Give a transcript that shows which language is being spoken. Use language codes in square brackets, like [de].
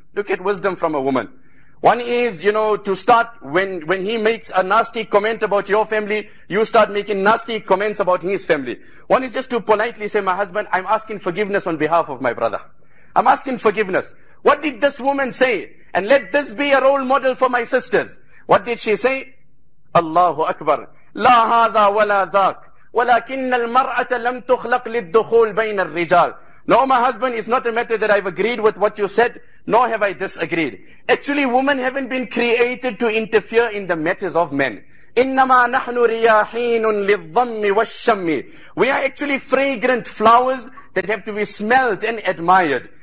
[en] Look at wisdom from a woman. One is, you know, to start when he makes a nasty comment about your family, you start making nasty comments about his family. One is just to politely say, my husband, I'm asking forgiveness on behalf of my brother. I'm asking forgiveness. What did this woman say? And let this be a role model for my sisters. What did she say? Allahu Akbar. [ar] لا هذا ولا ذاك. ولكن المرأة لم تخلق للدخول بين الرجال. [en] No, my husband, it's not a matter that I've agreed with what you said, nor have I disagreed. Actually, women haven't been created to interfere in the matters of men. [ar] إِنَّمَا نَحْنُ رِيَاحِينٌ لِلظَّمِّ وَالشَّمِّ. [en] We are actually fragrant flowers that have to be smelt and admired.